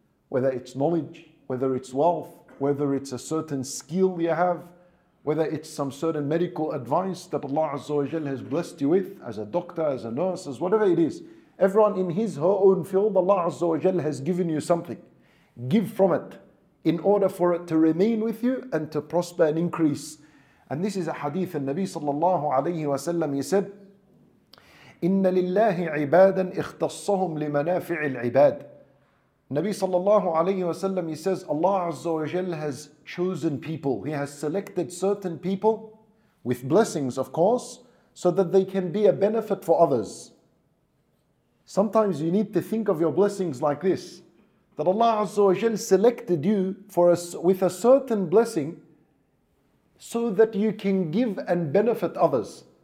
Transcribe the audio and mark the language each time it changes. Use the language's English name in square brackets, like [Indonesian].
[English] Whether it's knowledge, whether it's wealth, whether it's a certain skill you have, whether it's some certain medical advice that Allah Azza wa Jal has blessed you with, as a doctor, as a nurse, as whatever it is. Everyone in his, her own field, Allah Azza wa Jal has given you something. Give from it, in order for it to remain with you and to prosper and increase. And this is a hadith of Nabi sallallahu alayhi wa sallam. He said, [Arabic] إِنَّ لِلَّهِ عِبَادًا اِخْتَصَّهُمْ لِمَنَافِعِ الْعِبَادِ. [English] Nabi sallallahu alayhi wa sallam, he says, Allah Azza wa Jal has chosen people. He has selected certain people with blessings, of course, so that they can be a benefit for others. Sometimes you need to think of your blessings like this, that Allah Azza wa Jal selected you with a certain blessing so that you can give and benefit others.